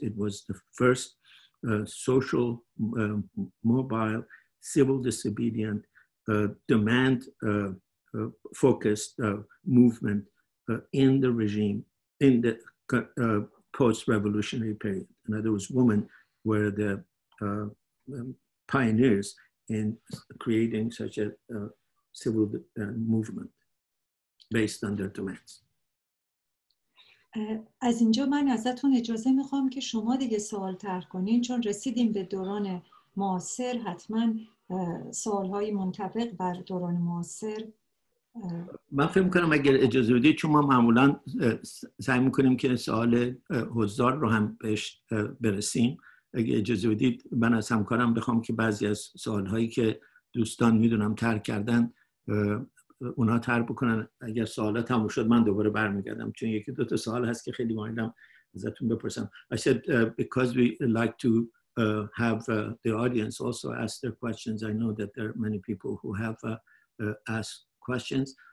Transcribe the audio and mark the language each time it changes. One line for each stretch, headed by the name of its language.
English: It was the first social, mobile, civil disobedient, demand-focused movement in the regime, in the post-revolutionary period. In other words, women were the pioneers in creating such a civil movement based on their demands.
Persian: از اینجا من ازتون اجازه میخوام که شما دیگه سوال طرح کنین، چون رسیدیم به دوران معاصر، حتما سوالهای منطبق بر دوران معاصر. من فکر میکنم اگر اجازه بدید، چون ما معمولا سعی میکنیم که سوال حضار رو هم بهش برسیم، اگر اجازه بدید من از همکارم بخوام که بعضی از سوالهایی که دوستان میدونم طرح کردن اونا تر بکنن. اگر سوالات هم شد من دوباره برمیگردم، چون یکی دو تا سوال هست که خیلی مایلم ازتون بپرسم.
English: I said because we like to have the audience also ask their questions. I know that there are many people who have asked questions.